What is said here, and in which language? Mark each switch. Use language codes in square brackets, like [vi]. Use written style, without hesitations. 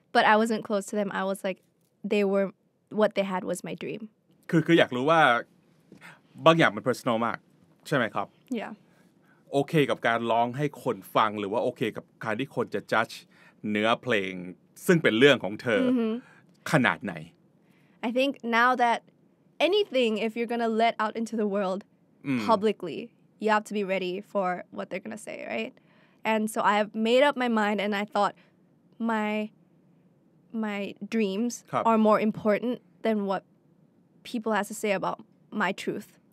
[en] But I wasn't close to them. I was like, what they had was my dream. [th] คืออยากรู้ว่าบางอย่างมัน personal มากใช่ไหมครับ [en] Yeah. [th] โอเคกับการร้องให้คนฟังหรือว่าโอเคกับการที่คนจะ judge เนื้อเพลงซึ่งเป็นเรื่องของเธอขนาดไหน [en] I think now that anything, if you're gonna let out into the world publicly. You have to be ready for what they're going to say, right? And so I have made up my mind and I thought my dreams are more important than what people have to say about my truth.